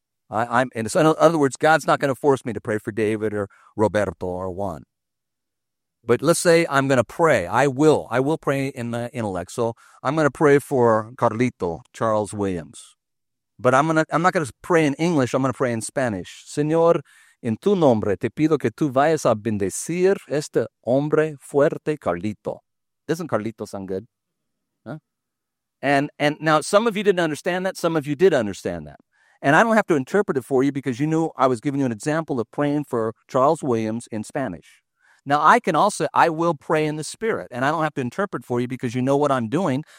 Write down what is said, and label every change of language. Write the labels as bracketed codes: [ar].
[en] In other words, God's not going to force me to pray for David or Roberto or Juan. But let's say I'm going to pray. I will pray in my intellect. So I'm going to pray for Carlito, Charles Williams. But I'm not going to pray in English. I'm going to pray in Spanish. [es] Señor, en tu nombre, te pido que tú vayas a bendecir este hombre fuerte, Carlito. [en] Doesn't Carlito sound good? Huh? And now, some of you didn't understand that. Some of you did understand that. And I don't have to interpret it for you because you knew I was giving you an example of praying for Charles Williams in Spanish. Now, I will pray in the Spirit. And I don't have to interpret for you because you know what I'm doing.